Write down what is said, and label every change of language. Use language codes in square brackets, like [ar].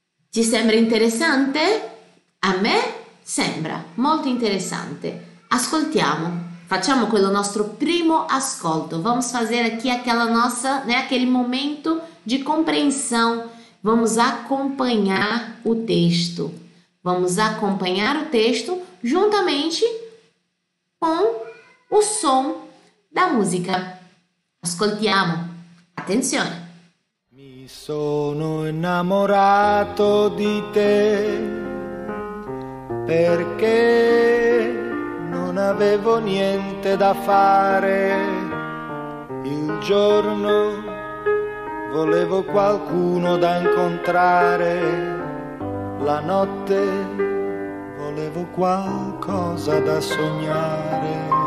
[it] Ti sembra interessante? A me sembra molto interessante. Ascoltiamo, facciamo quello nostro primo ascolto. [pt] Vamos fazer aqui aquela nossa, né, aquele momento de compreensão. Vamos acompanhar o texto. Vamos acompanhar o texto juntamente com o som da música. [it] Ascoltiamo. Attenzione. Sono innamorato di te perché non avevo niente da fare. Il giorno volevo qualcuno da incontrare, la notte volevo qualcosa da sognare.